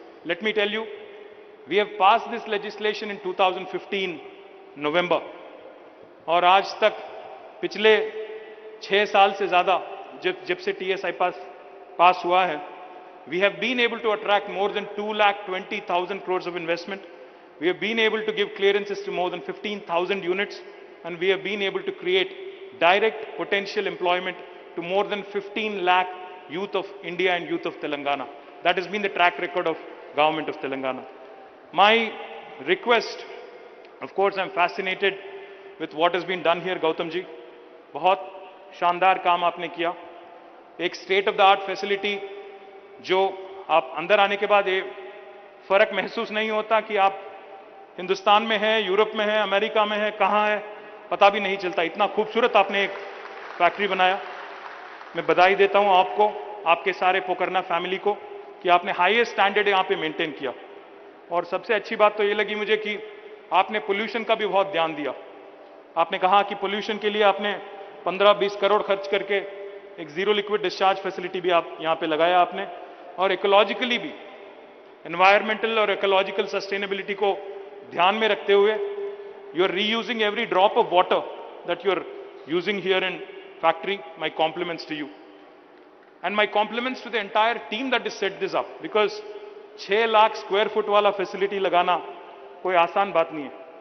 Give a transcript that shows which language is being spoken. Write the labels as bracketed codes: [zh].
[en] let me tell you, we have pass this legislation in 2015 November, [hi] और आज तक पिछले 6 साल से ज्यादा जब से टीएसआई पास हुआ है, [en] We have been able to attract more than 2,20,000 crores of investment, we have been able to give clearances to more than 15,000 units, and we have been able to create direct potential employment to more than 15 lakh youth of India and youth of Telangana. That has been the track record of government of Telangana. My request, of course, I'm fascinated with what has been done here, Gautam ji. [hi] Bahut shandar kaam aapne kiya. Ek state of the art facility, jo aap andar aane ke baad ye farak mehsoos nahi hota ki aap Hindustan mein hain, Europe mein hain, America mein hain, kahan hain, pata bhi nahi chalta. Itna khoobsurat aapne ek factory banaya. मैं बधाई देता हूं आपको, आपके सारे Pokarna family को, कि आपने हाईएस्ट स्टैंडर्ड यहां पे मेंटेन किया. और सबसे अच्छी बात तो ये लगी मुझे कि आपने पोल्यूशन का भी बहुत ध्यान दिया. आपने कहा कि पोल्यूशन के लिए आपने 15-20 करोड़ खर्च करके एक जीरो लिक्विड डिस्चार्ज फैसिलिटी भी आप यहां पे लगाया आपने, और इकोलॉजिकली भी एनवायरमेंटल और इकोलॉजिकल सस्टेनेबिलिटी को ध्यान में रखते हुए [en] You are reusing every drop of water that you are using here in factory. My compliments to you and my compliments to the entire team that has set this up, because 6 lakh square foot wala facility [hi] lagana koi aasan baat nahi hai.